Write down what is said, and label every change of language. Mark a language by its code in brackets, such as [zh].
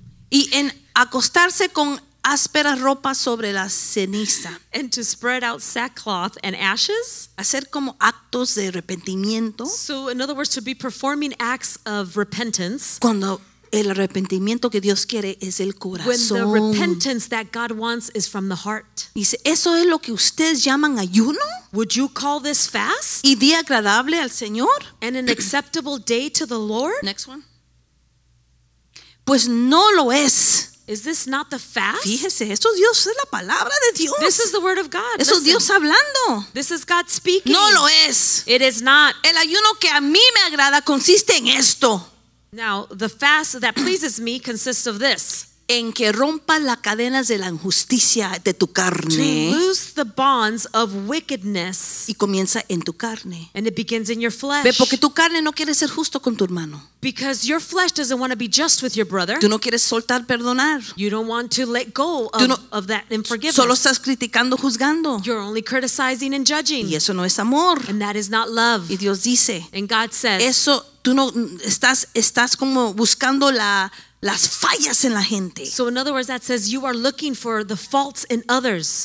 [es] Y en acostarse con áspera ropa sobre la ceniza. [en] And to spread out sackcloth and ashes. [es] Hacer como actos de arrepentimiento. [en] So in other words, to be performing acts of repentance. [es] Cuando el arrepentimiento que Dios quiere es el corazón. [en] When the repentance that God wants is from the heart. [es] Dice, ¿eso es lo que ustedes llaman ayuno? [en] Would you call this fast? [es] ¿Y día agradable al Señor? [en] And an acceptable day to the Lord? Next one. [es] Pues no lo es. [en] Is this not the fast? [es] Fíjese, esto Dios es la palabra de Dios. [en] This is the word of God. [es] Eso Dios hablando. [en] This is God speaking. [es] No lo es. [en] It is not. [es] El ayuno que a mí me agrada consiste en esto. [en] Now, the fast that pleases me consists of this. [es] En que rompa las cadenas de la injusticia de tu carne. [en] To lose the bonds of wickedness. [es] Y comienza en tu carne. [en] And it begins in your flesh. [es] Ve, porque tu carne no quiere ser justo con tu hermano. [en] Because your flesh doesn't want to be just with your brother. [es] Tú no quieres soltar perdonar. [en] You don't want to let go of, no, of that unforgiveness. [es] Solo estás criticando, juzgando. [en] You're only criticizing and judging. [es] Y eso no es amor. [en] And that is not love. [es] Y Dios dice. [en] And God says. [es] Eso, tú no estás como buscando las fallas en la gente. [en] So in other words, that says you are looking for the faults in others.